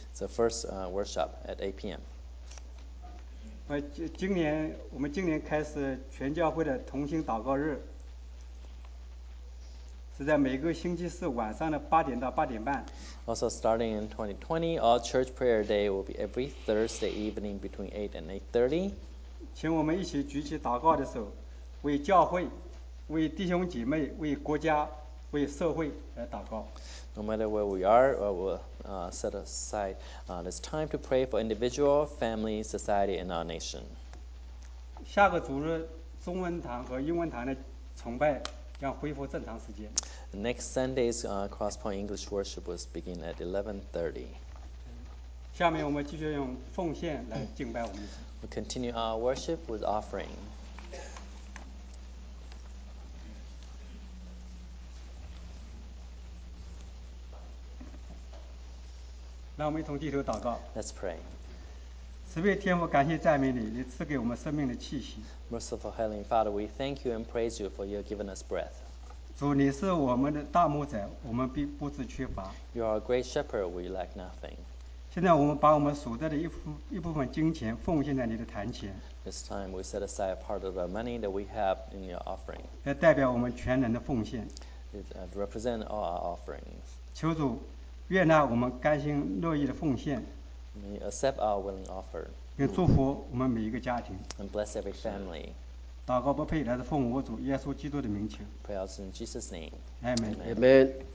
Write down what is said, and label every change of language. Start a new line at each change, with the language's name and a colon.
English: It's the first workshop at 8 p.m.
Chinese: 我们今年开始全教会的同心祷告日，是在每个星期四晚上的8点到8点半。
English: Also starting in 2020, our church prayer day will be every Thursday evening between 8 and 8:30.
Chinese: 请我们一起举起祷告的手，为教会、为弟兄姐妹、为国家、为社会来祷告。
English: No matter where we are, we will set aside this time to pray for individual, family, society, and our nation.
Chinese: 下个主日中文堂和英文堂的崇拜将恢复正常时间。
English: Next Sunday's Crosspoint English worship will begin at 11:30.
Chinese: 下面我们继续用奉献来敬拜我们。
English: We'll continue our worship with offering.
Chinese: 让我们一同低头祷告。
English: Let's pray.
Chinese: 慈悲天父，感谢赞美你，你赐给我们生命的气息。
English: Merciful Heavenly Father, we thank you and praise you for you have given us breath.
Chinese: 主，你是我们的大牧者，我们必不致缺乏。
English: You are a great shepherd, we lack nothing.
Chinese: 现在我们把我们所得的一部分金钱奉献在你的坛前。
English: This time we set aside a part of the money that we have in your offering.
Chinese: 来代表我们全人的奉献。
English: It represents all our offerings.
Chinese: 求主悦纳我们甘心乐意的奉献。
English: May you accept our willing offer.
Chinese: 并祝福我们每一个家庭。
English: And bless every family.
Chinese: 祷告不配，来自奉我主耶稣基督的名求。
English: Pray us in Jesus' name. Amen. Amen.